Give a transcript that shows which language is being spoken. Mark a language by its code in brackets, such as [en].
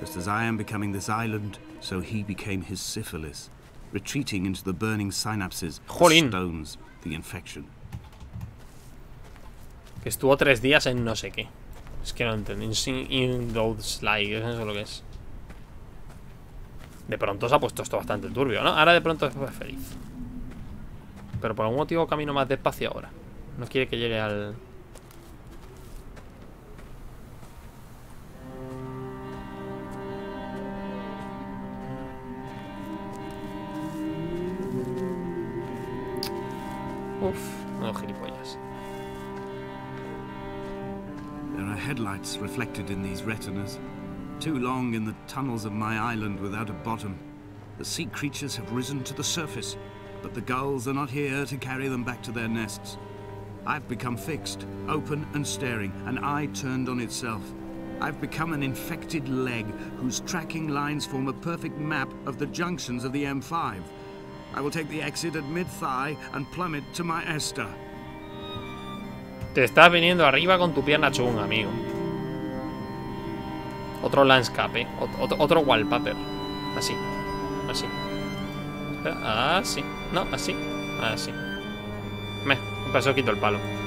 [en] Just as I am becoming this island, so he became his syphilis, retreating into the burning synapses, the stones, the infection. [es] Que estuvo tres días en no sé qué. Es que no entendí. [en] In those lies, [es] eso es lo que es. De pronto se ha puesto esto bastante turbio, ¿no? Ahora de pronto es feliz. Pero por algún motivo camino más despacio ahora. No quiere que llegue al... Uf, no, gilipollas. [en] There are headlights reflected in these retinas. Too long in the tunnels of my island without a bottom. The sea creatures have risen to the surface. But the gulls are not here to carry them back to their nests. I've become fixed, open and staring, an eye turned on itself. I've become an infected leg whose tracking lines form a perfect map of the junctions of the M5. I will take the exit at mid-thigh and plummet to my Esther. [es] Te estás viniendo arriba con tu pierna chunga, amigo. Otro landscape, otro wallpaper. Así, así. Ah, sí. No, así. Ah, sí. Me pasó, quito el palo.